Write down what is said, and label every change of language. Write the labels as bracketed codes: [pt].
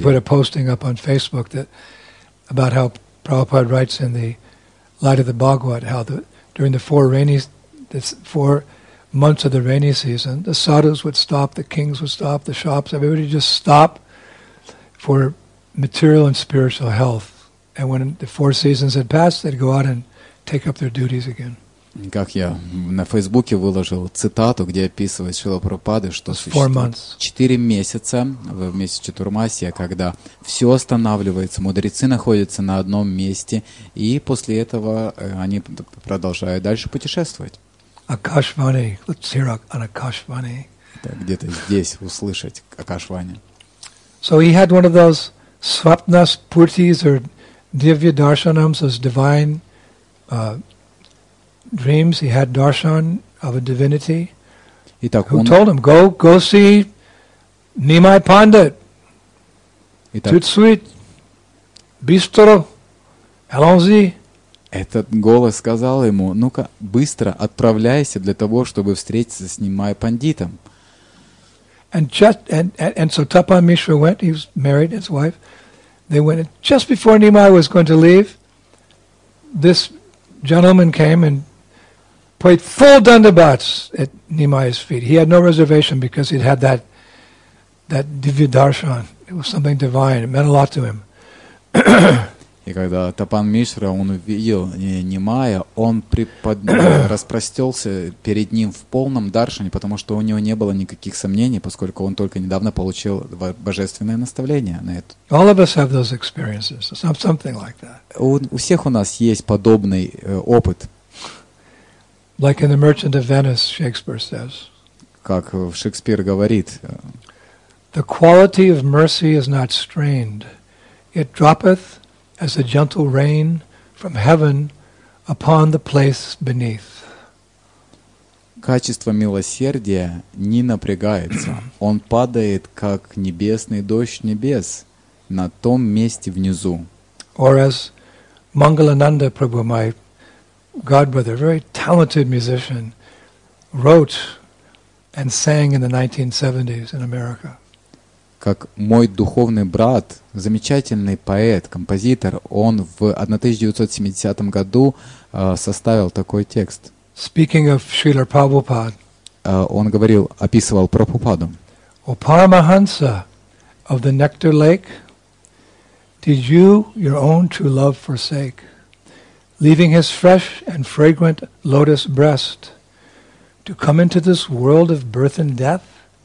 [en] Just like we put a posting up on Facebook that about how Prabhupada writes in the Light of the Bhagavad, how during the four months of the rainy season, the sadhus would stop, the kings would stop, the shops, everybody just stop for material and spiritual health. And when the four seasons had passed, they'd go out and take up their duties again. [ru] Как я на Фейсбуке выложил цитату, где описывает Шрила Прабхупада, что четыре месяца в месяц Чатурмасия, когда все останавливается, мудрецы находятся на одном месте, и после этого они продолжают дальше путешествовать. [en] Акашвани, let's hear an Акашвани. [ru] Где-то здесь услышать Акашвани. [en] So he had one of those Свапнас Пуртис or Дивья Даршанамс, those divine dreams. He had darshan of a divinity. [ru] Итак, [en] who told him, go see Nimai Pandit, Tutsuit, Bistro, [fr] allons-y. [ru] Этот голос сказал ему, ну-ка, быстро отправляйся для того, чтобы встретиться с Нимай Пандитом. [en] And so Tapa Mishra went, he was married, his wife. They went, just before Nimai was going to leave, this gentleman came and played full dandabats at Nimai's feet. He had no reservation because he'd had that Divya Darshan. It was something divine. It meant a lot to him. [ru] И когда Тапан Мишра, он увидел Нимая, он распростелся перед ним в полном даршане, потому что у него не было никаких сомнений, поскольку он только недавно получил божественное наставление на это. [en] All of us have those experiences, something like that. [ru] У всех у нас есть подобный опыт. [en] Like in The Merchant of Venice, Shakespeare says. [ru] Как Шекспир говорит. [en] The quality of mercy is not strained. It droppeth as a gentle rain from heaven upon the place beneath. [ru] Качество милосердия не напрягается. Он падает, как небесный дождь небес, на том месте внизу. [en] Or as Mangalananda Prabhu, my godbrother, a very talented musician, wrote and sang in the 1970s in America. [ru] Как мой духовный брат, замечательный поэт, композитор, он в 1970 году составил такой текст. [en] Speaking of Srila Prabhupada, [ru] он говорил, описывал Прабхупаду. [en] O Paramahansa of the Nectar Lake, did you your own true love forsake, leaving his fresh and fragrant lotus breast to come into this world of birth and death?